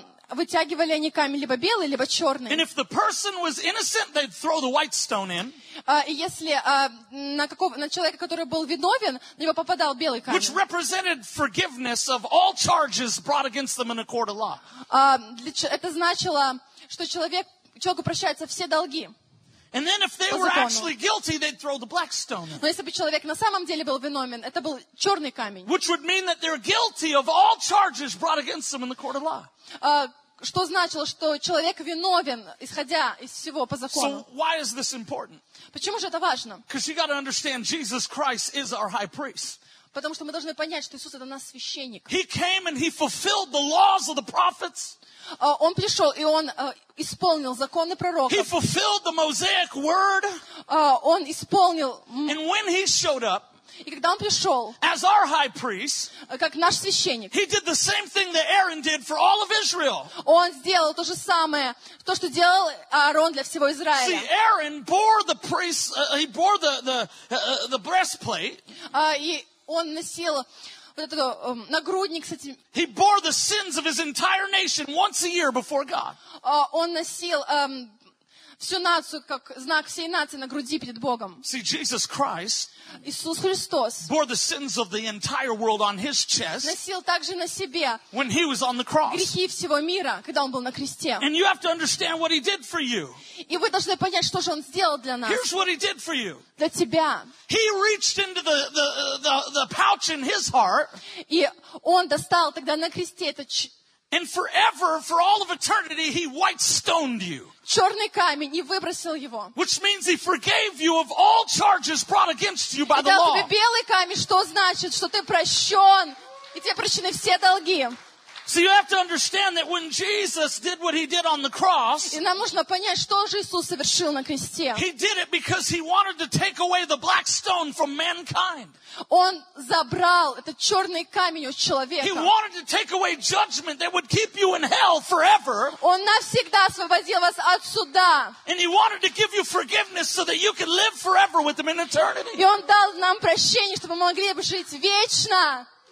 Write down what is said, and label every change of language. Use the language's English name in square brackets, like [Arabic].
[Russian] Вытягивали они камень либо белый, либо черный. [English] And if the person was innocent, they'd throw the white stone in. [Russian] На человека, который был виновен, на него попадал белый камень. [English] Which represented forgiveness of all charges brought against them in a court of law. [Russian] Это значило, что человеку прощаются все долги. [English] And then if they were actually guilty, they'd throw the black stone in. [Russian] Но если бы человек на самом деле был виновен, это был черный камень. [English] Which would mean that they're guilty of all charges brought against them in the court of law. [Russian] Что значило, что человек виновен, исходя из всего по закону. [English] So why is this important? [Russian] Почему же это важно? [English] Because you got to understand Jesus Christ is our high priest. [Russian] Потому что мы должны понять, что Иисус это наш священник. [English] He came and he fulfilled the laws of the prophets. [Russian] Он пришел, и он исполнил законы пророков. [English] He fulfilled the Mosaic word. [Russian] Он исполнил. [English] And when he showed up, [Russian] и когда он пришел, [English] as our high priest, [Russian] как наш священник, [English] he did the same thing that Aaron did for all of Israel. [Russian] Он сделал то же самое, то, что делал Аарон для всего Израиля. [English] See, Aaron bore the priest, he bore the breastplate. [Russian] И он носил вот этот нагрудник с этим. [English] He bore the sins of his entire nation once a year before God. [Russian] Он носил всю нацию, как знак всей нации на груди перед Богом. [English] See, Jesus Christ, [Russian] Иисус Христос, [English] bore the sins of the entire world on his chest, [Russian] носил также на себе, [English] when he was on the cross, [Russian] грехи всего мира, когда он был на кресте. [English] And you have to understand what he did for you. [Russian] И вы должны понять, что же он сделал для нас. [English] Here's what he did for you. [Russian] Для тебя. [English] He reached into the pouch in his heart, [Russian] и он достал тогда на кресте это. [English] And forever, for all of eternity, he white stoned you. [Russian] Черный камень и выбросил его. [English] Which means he forgave you of all charges brought against you by the law. [Russian] И дал тебе белый камень, что значит, что ты прощен, и тебе прощены все долги. [English] So you have to understand that when Jesus did what he did on the cross, [Russian] и нам нужно понять, что же Иисус совершил на кресте. [English] He did it because he wanted to take away the black stone from mankind. [Russian] Он забрал этот черный камень у человека. [English] He wanted to take away judgment that would keep you in hell forever. [Russian] Он навсегда освободил вас от суда. [English] And he wanted to give you forgiveness so that you could live forever with him in eternity. [Russian] И он дал нам прощение, чтобы мы могли бы жить вечно.